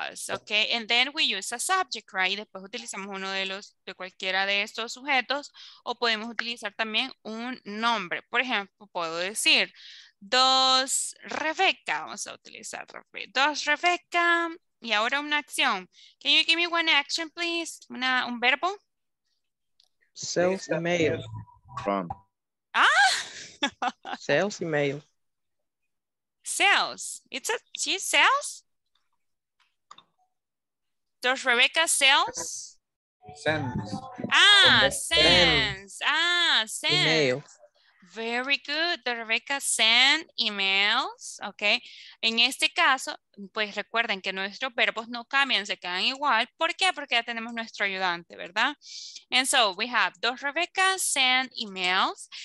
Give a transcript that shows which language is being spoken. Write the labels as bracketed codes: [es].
[en] Okay, and then we use a subject, right? [es] Y después utilizamos uno de los, de cualquiera de estos sujetos, o podemos utilizar también un nombre. Por ejemplo, puedo decir, does Rebecca, vamos a utilizar, does Rebecca, y ahora una acción. [en] Can you give me one action, please? [es] Una, un verbo. [en] Sales email. From. Ah! Sales email. Sales. It's a, she sells? Does Rebecca sells? Sends. Ah, sends. Ah, sends. Email. Very good. Does Rebecca send emails? Okay. [es] En este caso, pues recuerden que nuestros verbos no cambian, se quedan igual. ¿Por qué? Porque ya tenemos nuestro ayudante, ¿verdad? [en] And so we have, does Rebecca send emails?